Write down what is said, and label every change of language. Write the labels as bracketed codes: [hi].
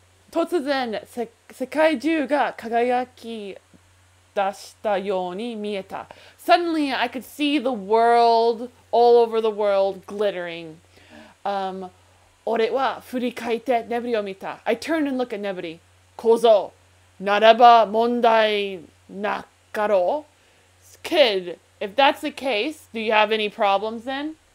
[ja] 突然, 世界中 が 輝き だしたように見えた. [en] Suddenly, I could see the world, all over the world, glittering. [ja] 俺は振り返ってネブリを見た. [en] I turned and looked at Neburi. [ja] 構造ならば問題なかろう? [en] Kid, if that's the case, do you have any problems then?